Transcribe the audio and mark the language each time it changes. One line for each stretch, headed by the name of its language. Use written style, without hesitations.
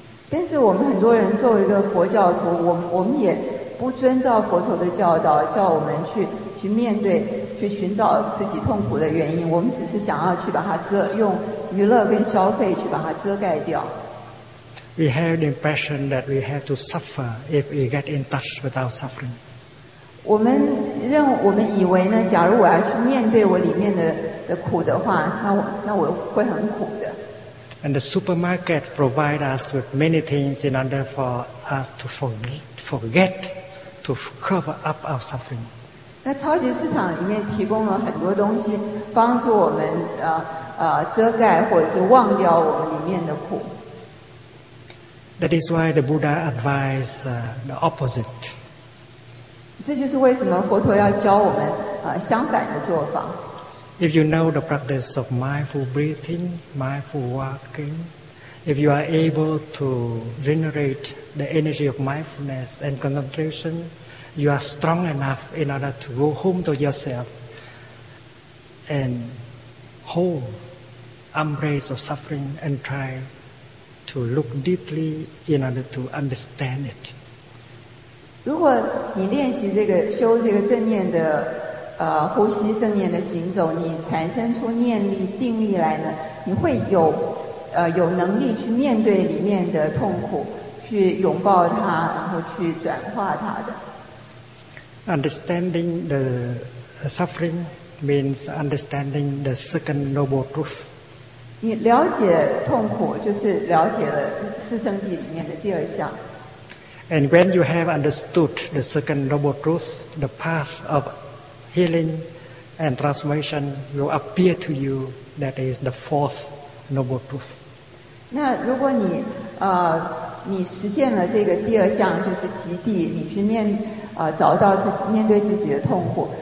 Chinese: 但是我们很多人作为一个佛教徒，我们也不遵照佛陀的教导，叫我们去面对，去寻找自己痛苦的原因。我们只是想要去把它用娱乐跟消费去把它遮盖掉。
English: We have the impression that we have to suffer if we get in touch with our suffering.
Chinese: 我们以为呢，假如我要去面对我里面的苦的话，那我会很苦的。
English: And the supermarket provide us with many things in order for us to forget to cover up our suffering.
Chinese: 那超级市场里面提供了很多东西，帮助我们遮盖或者是忘掉我们里面的苦。
English: That is why the Buddha advises the opposite.
Chinese: 这就是为什么佛陀要教我们相反的做法。
English: If you know the practice of mindful breathing, mindful walking, if you are able to generate the energy of mindfulness and concentration, you are strong enough in order to go home to yourself and hold embrace of suffering and try to look deeply in order to understand it.
Chinese: 如果你练习这个修这个正念的呼吸正念的行走，你产生出念力定力来呢，你会有能力去面对里面的痛苦，去拥抱它，然后去转化它的。
English: Understanding the suffering means understanding the second noble truth.
Chinese: 你了解痛苦，就是了解了四圣谛里面的第二项。
English: And when you have understood the second noble truth, the path of healing and transformation will appear to you. That is the fourth noble truth.
Chinese: 那如果你你实践了这个第二项，就是极地，你去面找到自己面对自己的痛苦。